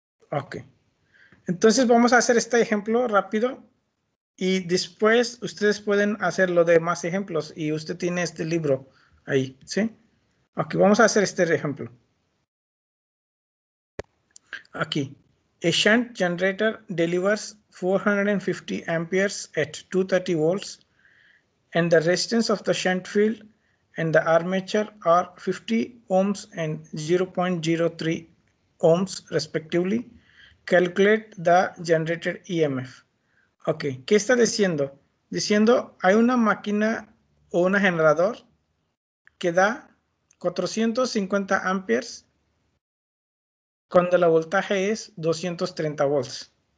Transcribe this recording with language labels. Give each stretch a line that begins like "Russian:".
Spanish: Ok. Entonces, vamos a hacer este ejemplo rápido y después ustedes pueden hacer lo de más ejemplos y usted tiene este libro ahí, ¿sí? Ok, vamos a hacer este ejemplo. Aquí.
English: A shunt generator delivers 450 amperes at 230 volts and the resistance of the shunt field and the armature are 50 ohms and 0.03 ohms respectively. Calculate the generated EMF. Ok,
Spanish: ¿qué está diciendo? Diciendo hay una máquina o un generador que da 450 amperes cuando la voltaje es 230 volts.